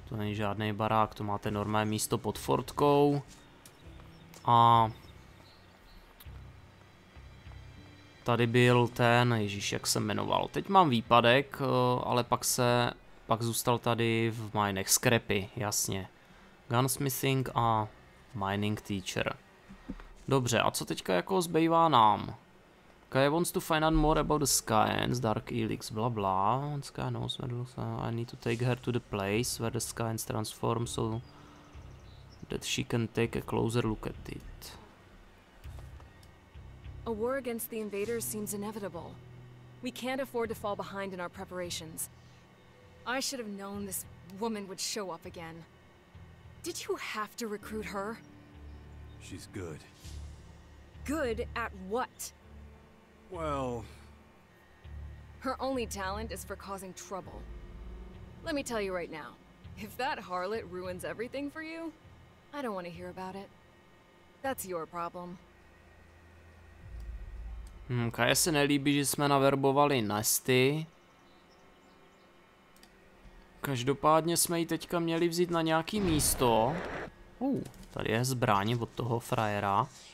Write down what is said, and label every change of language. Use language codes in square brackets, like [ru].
[cs] To není žádný barák, to máte normální místo pod fortkou. A... Tady byl ten, ježíš, jak se jmenoval. Teď mám výpadek, ale pak zůstal tady v minech. Skrepy, jasně. [en] Gunsmithing a mining teacher. [cs] Dobře, a co teďka jako zbývá nám? [en] Kaya wants to find out more about the Skyans, Dark Elix, blah blah. Sky knows where to go. I need to take her to the place where the Skyans transform so that she can take a closer look at it. A war against the invaders seems inevitable. We can't afford to fall behind in our preparations. I should have known this woman would show up again. Did you have to recruit her? She's good. Good at what? Well... Her only talent is for causing trouble. Let me tell you right now, if that harlot ruins everything for you, I don't want to hear about it. That's your problem. [cs] Kaya se nelíbí, že jsme naverbovali Nesty. Každopádně jsme ji teďka měli vzít na nějaký místo. Tady je zbraň od toho frajera.